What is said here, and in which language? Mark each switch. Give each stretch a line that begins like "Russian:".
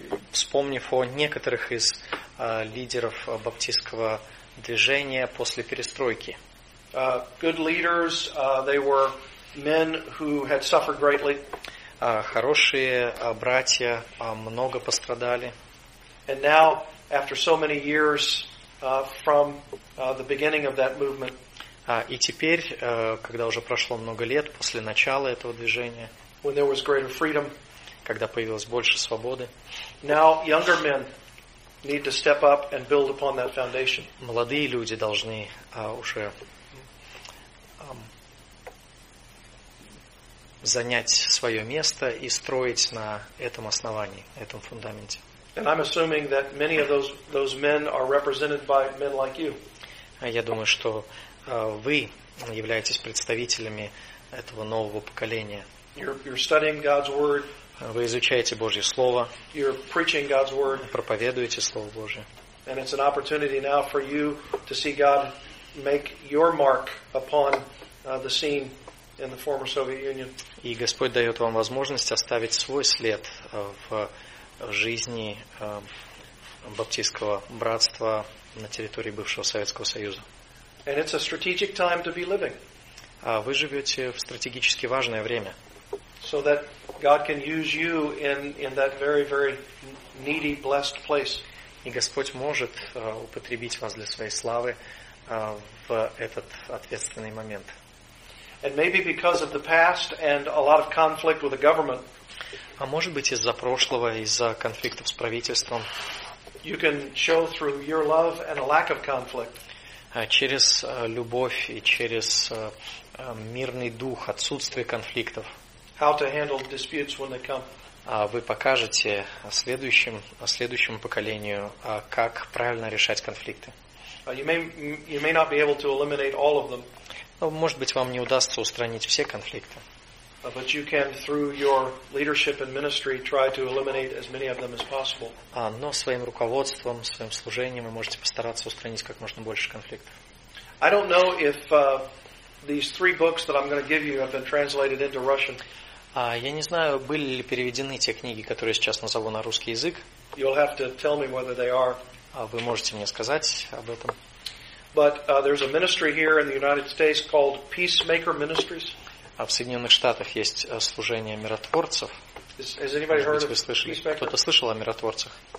Russian: Вспомнив о некоторых из лидеров баптистского движения после перестройки.
English: Good leaders, they were men who had suffered greatly.
Russian: Хорошие братья много пострадали.
English: And now, after so many years from the beginning of that movement.
Russian: И теперь, когда уже прошло много лет после начала этого движения.
English: When there was greater freedom.
Russian: Когда появилось больше свободы.
English: Now younger men need to step up and build upon that foundation.
Russian: Молодые люди должны уже занять свое место и строить на этом основании, этом фундаменте.
English: And I'm assuming that many of those men are represented by men like you.
Russian: Я думаю, что вы являетесь представителями этого нового поколения.
English: You're studying God's word.
Russian: Вы изучаете Божье слово.
English: You're preaching God's word.
Russian: Проповедуете слово Божье.
English: And it's an opportunity now for you to see God make your mark upon the scene in the former Soviet Union.
Russian: И Господь дает вам возможность оставить свой след в жизни баптистского братства на территории бывшего Советского Союза.
English: And it's a strategic time to be living.
Russian: Вы живете в стратегически важное время.
English: So that God can use you in that very, very needy, blessed place.
Russian: И Господь может употребить вас для своей славы в этот ответственный момент.
English: And maybe because of the past and a lot of conflict with the government.
Russian: А может быть, из-за прошлого, из-за конфликтов с правительством.
English: You can show through your love and a lack of conflict.
Russian: Через любовь и через мирный дух, отсутствие конфликтов.
English: How to handle disputes when they come.
Russian: Вы покажете следующему поколению, как правильно решать конфликты.
English: You may not be able to eliminate all of them.
Russian: Но, может быть, вам не удастся устранить все конфликты.
English: But you can, through your leadership and ministry, try to eliminate as many of them as possible.
Russian: Но своим руководством, своим служением вы можете постараться устранить как можно больше конфликтов.
English: I don't know if these three books that I'm going to give you have been translated into Russian.
Russian: Я не знаю, были ли переведены те книги, которые я сейчас назову на русский язык.
English: You'll have to tell me whether they are.
Russian: Вы можете мне сказать об этом.
English: But there's a ministry here in the United States called Peacemaker Ministries.
Russian: А в Соединенных Штатах есть служение миротворцев.
English: Has anybody heard of Peacemaker?
Russian: Кто-то слышал о миротворцах?